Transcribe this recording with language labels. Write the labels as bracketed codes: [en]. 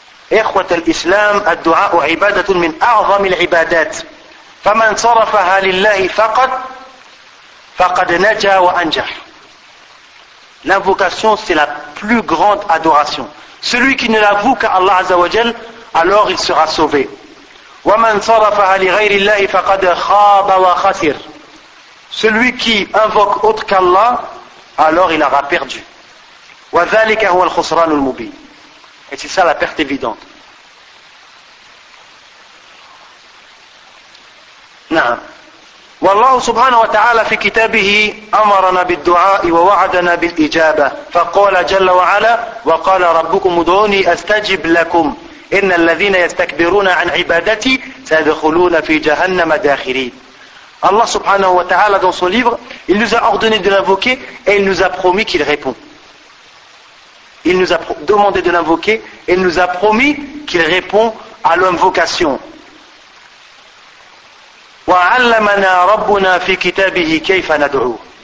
[ar] إخوة الإسلام الدعاء عبادة من أعظم العبادات فمن صرفها لله فقط فقد نجا وأنجح. [fr] L'invocation c'est la plus grande adoration. Celui qui ne l'avoue qu'à Allah Azza wa Jal, alors il sera sauvé. [ar] ومن صرفها لغير الله فقد خاب وخسر. [fr] Celui qui invoque autre qu'Allah, alors il aura perdu. [ar] وذلك هو الخسران المبين. [fr] Et c'est ça la perte évidente. Non. [ar] والله سبحانه وتعالى في كتابه أمرنا بالدعاء ووعدنا بالإجابة. فقال جل وعلا وقال ربكم ادعوني أستجب لكم إن الذين يستكبرون عن عبادتي سيدخلون في جهنم داخرين. الله سبحانه وتعالى [fr] dans son livre, il nous a ordonné de l'invoquer et il nous a promis qu'il répond. Il nous a demandé de l'invoquer et il nous a promis qu'il répond à l'invocation. [ar] وَعَلَّمَنَا رَبُّنَا فِي كِتَابِهِ كَيْفَ نَدْعُو.